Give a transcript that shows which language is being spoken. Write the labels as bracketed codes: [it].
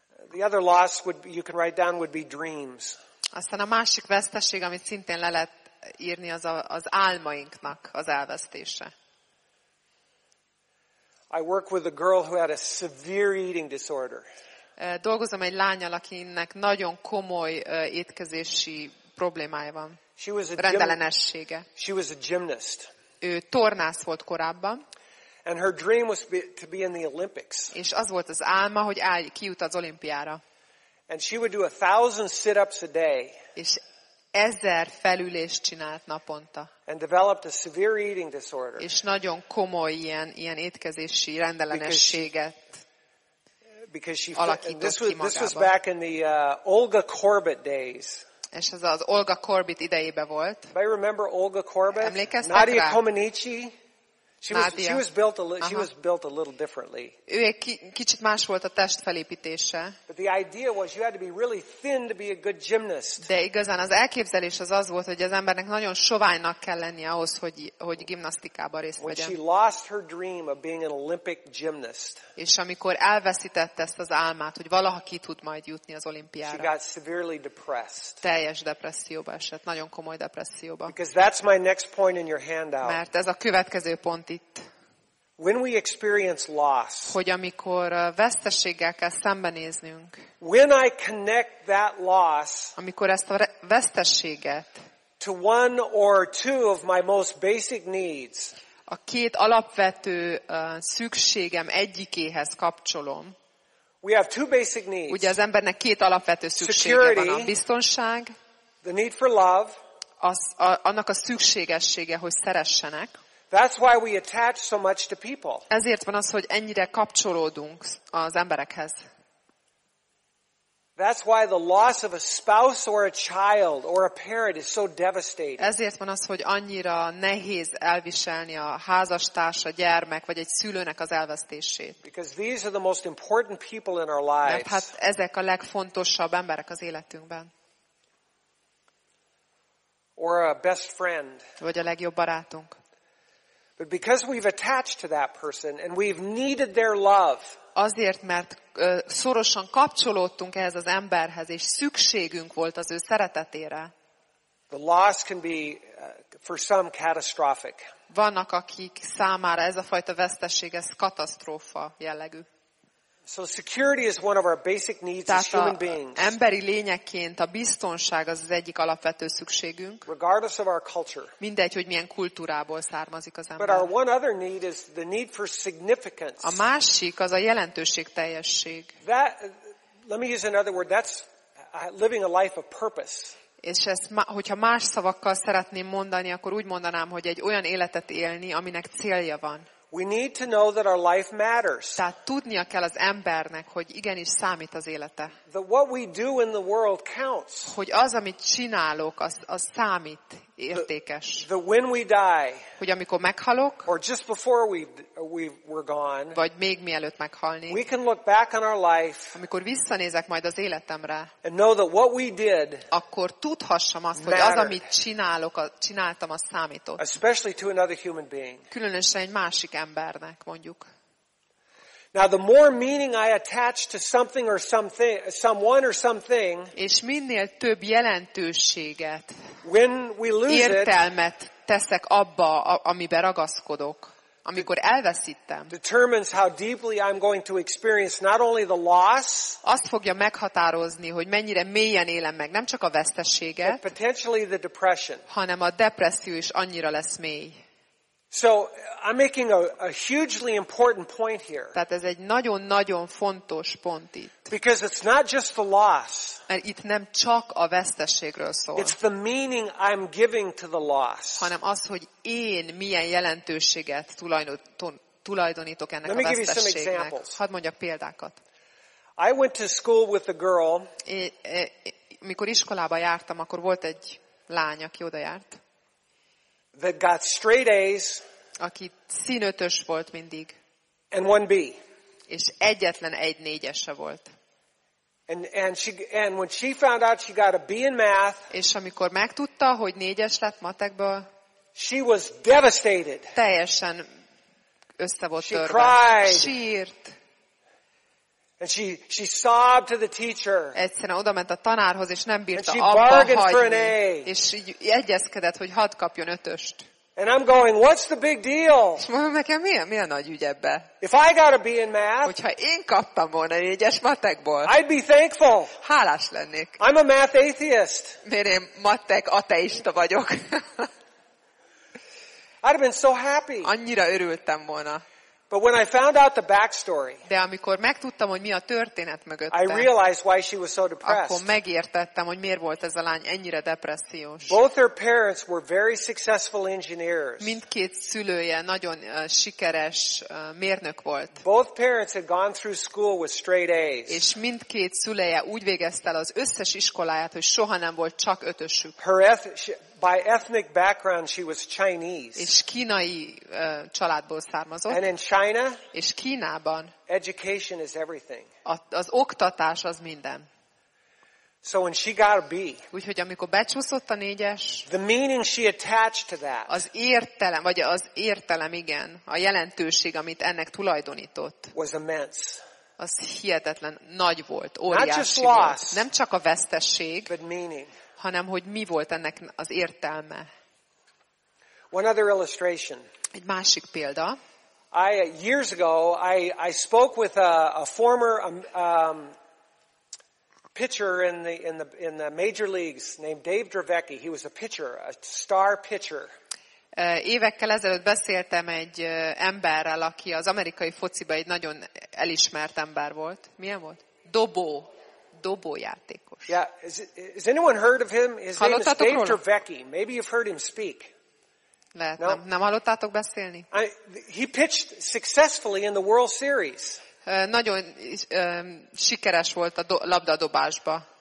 [en] The other loss would be, you can write down would be dreams. [hu] Aztán a másik veszteség, amit szintén le lehet írni, az álmainknak az elvesztése. [en] I work with a girl who had a severe eating disorder. [hu] Dolgozom egy lányal, akinek nagyon komoly étkezési problémája van. Rendellenessége. [en] She was a gymnast. [hu] Ő tornász volt korábban. [en] And her dream was to be in the Olympics. [hu] És az volt az álma, hogy kijut az olimpiára. [en] And she would do 1,000 sit-ups a day. [hu] És 1,000 felülést csinált naponta. [en] And developed a severe eating disorder. [hu] És nagyon komoly ilyen étkezési rendellenességet [en] because she this was back in the Olga Corbett days. [hu] És ez az Olga Corbett idejében volt. [en] I remember Olga Corbett. [hu] Emlékeztek Nadia rá? Comaneci. [en] She was built a little differently. [hu] Ő egy kicsit más volt a testfelépítése. [en] But the idea was you had to be really thin to be a good gymnast. [hu] De igazán az elképzelés az az volt, hogy az embernek nagyon soványnak kell lennie ahhoz, hogy gimnasztikában részt vegyen. [en] When she lost her dream of being an Olympic gymnast. [hu] És amikor elveszítette ezt az álmát, hogy valaha ki tud majd jutni az olimpiára. [en] She got severely depressed. [hu] Teljes depresszióba esett, nagyon komoly depresszióba. [en] Because that's my next point in your handout. [hu] Mert ez a következő pont. [en] When we experience loss, [hu] hogy amikor veszteséggel kell szembenéznünk, [en] when I connect that loss, [hu] amikor ezt a veszteséget, [en] to one or two of my most basic needs, [hu] a két alapvető szükségem egyikéhez kapcsolom, [en] we have two basic needs. [hu] Ugye az embernek két alapvető szüksége [en] security, [hu] van, a biztonság, [en] the need for love, [hu] az, annak a szükségessége, hogy szeressenek. [en] That's why we attach so much to people. [hu] Ezért van az, hogy ennyire kapcsolódunk az emberekhez. [en] That's why the loss of a spouse or a child or a parent is so devastating. [hu] Ezért van az, hogy annyira nehéz elviselni a házastárs, a gyermek vagy egy szülőnek az elvesztését. [en] Because these are the most important people in our lives. [hu] Mert hát ezek a legfontosabb emberek az életünkben. [en] Or a best friend. [hu] Vagy a legjobb barátunk. [en] But because we've attached to that person and we've needed their love. [hu] Azért, mert szorosan kapcsolódtunk ehhez az emberhez és szükségünk volt az ő szeretetére. [en] The loss can be for some catastrophic. [hu] Vannak, akik számára ez a fajta veszteség, ez katasztrófa jellegű. [en] So security is one of our basic needs as human beings. [hu] Emberi lényekként a biztonság az az egyik alapvető szükségünk. [en] Regardless of our culture. [hu] Mindegy, hogy milyen kultúrából származik az ember. [en] But our one other need is the need for significance. [hu] A másik az a jelentőség teljesség. [en] That, let me use another word. That's living a life of purpose. [hu] És ezt, hogyha más szavakkal szeretném mondani, akkor úgy mondanám, hogy egy olyan életet élni, aminek célja van. [en] We need to know that our life matters. [hu] Tehát tudnia kell az embernek, hogy igenis számít az élete. [en] That what we do in the world counts. [hu] Hogy az, amit csinálok, az számít, értékes. [en] That when we die. [hu] Hogy amikor meghalok. [en] Or just before we're gone. [hu] Vagy még mielőtt meghalni. [en] We can look back on our life. [hu] Amikor visszanézek majd az életemre. [en] And know that what we did. [hu] Akkor tudhassam azt, hogy az, amit csinálok, csináltam, az számított. [en] Especially to another human being. [hu] Különösen egy másik embernek, mondjuk. [en] Now the more meaning I attach to something or something, someone or something, [hu] és minél több jelentőséget, [en] when we lose it, [hu] értelmet teszek abba, amiben ragaszkodok, amikor elveszítem, [en] determines how deeply I'm going to experience not only the loss, [hu] azt fogja meghatározni, hogy mennyire mélyen élem meg, nem csak a veszteséget, [en] but potentially the depression, [hu] hanem a depresszió is annyira lesz mély. [en] So I'm making a hugely important point here. [hu] Tehát ez egy nagyon-nagyon fontos pont itt. [en] Because it's not just the loss. [hu] Mert itt nem csak a veszteségről szól. [en] It's the meaning I'm giving to the loss. [hu] Hanem az, hogy én milyen jelentőséget tulajdonítok ennek a veszteségnek. Hadd mondjak példákat. [en] I went to school with a girl. [hu] Mikor iskolába jártam, akkor volt egy lány, aki oda járt. [en] That got straight A's. [hu] Aki színötös volt mindig. [en] And one B. [hu] És egyetlen egy négyese volt. [en] And when she found out she got a B in math. [hu] És amikor megtudta, hogy négyes lett matekből. [en] She was devastated. [hu] Teljesen össze volt törve. [en] She cried. [hu] Sírt. [en] And she sobbed to the teacher. [hu] Egyszerűen odament a tanárhoz, és nem bírta abba hagyni. És így egyezkedett, hogy hadd kapjon ötöst. [en] And I'm going, what's the big deal? [hu] És mondom nekem, mi a nagy ügy ebbe? [en] If I got a B in math, [hu] hogyha én kaptam volna négyes matekból, [en] I'd be thankful. [hu] Hálás lennék. [en] I'm a math atheist. [hu] Mert én matek ateista vagyok. [en] I'd have been so happy. [hu] Annyira örültem volna. [en] But when I found out the backstory, [hu] de amikor megtudtam, hogy mi a történet mögötte, [en] I realized why she was so depressed. [hu] Akkor megértettem, hogy miért volt ez a lány ennyire depressziós. [en] Both her parents were very successful engineers. [hu] Mindkét szülője nagyon sikeres mérnök volt. [en] Both parents had gone through school with straight A's. [hu] És mindkét szülője úgy végezte el az összes iskoláját, hogy soha nem volt csak ötösük. [en] By ethnic background she was Chinese. [hu] És kínai családból származott. [en] And in China, [hu] és Kínában, [en] education is everything. [hu] Az oktatás az minden. [en] So when she got a B, [hu] úgyhogy amikor becsúszott a négyes, [en] the meaning she attached to that, [hu] az értelem, a jelentőség, amit ennek tulajdonított, [en] was immense. [hu] Az hihetetlen nagy volt, óriási volt. Nem csak a vesztesség, [en] but meaning. [hu] Hanem hogy mi volt ennek az értelme. [en] One other illustration. [hu] Egy másik példa. [en] Years ago I spoke with a former pitcher in the major leagues named Dave Dravecki. He was a pitcher, a star pitcher. [hu] Évekkel ezelőtt beszéltem egy emberrel, aki az amerikai fociban egy nagyon elismert ember volt. Milyen volt? Dobójátékos. [en] Yeah, has anyone heard of him? His name is Dave Dravecki. Maybe you've heard him speak. [hu] Lehet, no? Nem hallottátok beszélni? [en] He pitched successfully in the World Series. [hu] Nagyon sikeres volt a labdadobásba.